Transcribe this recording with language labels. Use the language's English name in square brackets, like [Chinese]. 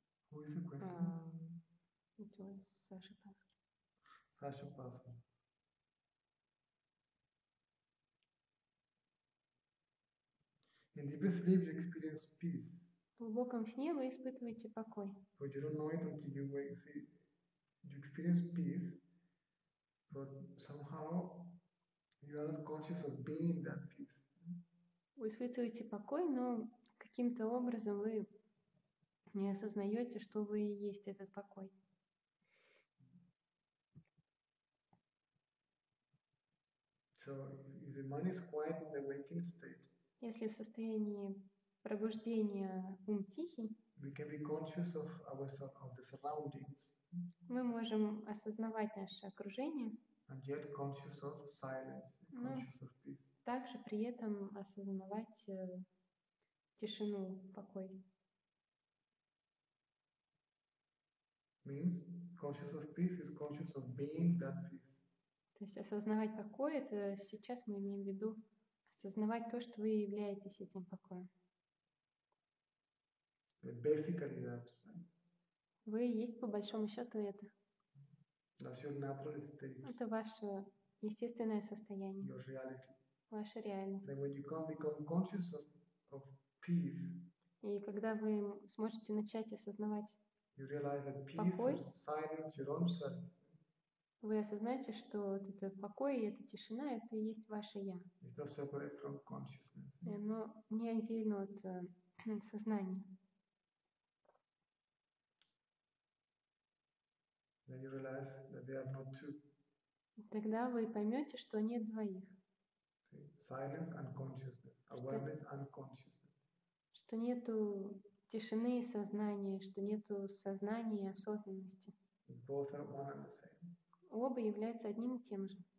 [English] Who is the question? It was Sasha Pascal. Sasha Pascal. In deep sleep you experience peace. [Russian] В глубоком сне вы испытываете покой. [English] But you don't know it until you wake. See, you experience peace, but somehow you are unconscious of being that peace. [Russian] Вы испытываете покой, но каким-то образом вы не осознаете, что вы и есть этот покой. [English] So if the mind is quiet in the waking state. [Russian] Если в состоянии пробуждение ум тихий. [English] We can be conscious of ourselves, of the surroundings. [Russian] Мы можем осознавать наше окружение. [English] And yet conscious of silence, conscious of peace. [Russian] Также при этом осознавать тишину, покой. [English] Means? conscious of peace is conscious of being that peace. [Russian] То есть осознавать покой, это сейчас мы имеем в виду осознавать то, что вы являетесь этим покоем. [English] Basically that, right? [Russian] Вы есть по большому счету это. [English] That's your natural state. [Russian] Это ваше естественное состояние. [English] Your reality. [Russian] Ваша реальность. [English] Then when you can become conscious of peace, [Russian] и когда вы сможете начать осознавать [English] you realize that peace [Russian] покой, [English] is silence, your own self. [Russian] Вы осознаете, что вот это покой и эта тишина, это и есть ваше я. [English] It is separate from consciousness. [Russian] И оно не отделено от сознания. [English] Then you realize that they are not two. [Russian] Тогда вы поймете, что нет двоих. [English] Silence and consciousness, awareness and consciousness. [Russian] Что нету тишины и сознания, что нету сознания и осознанности. [English] Both are one and the same. [Russian] Оба являются одним и тем же.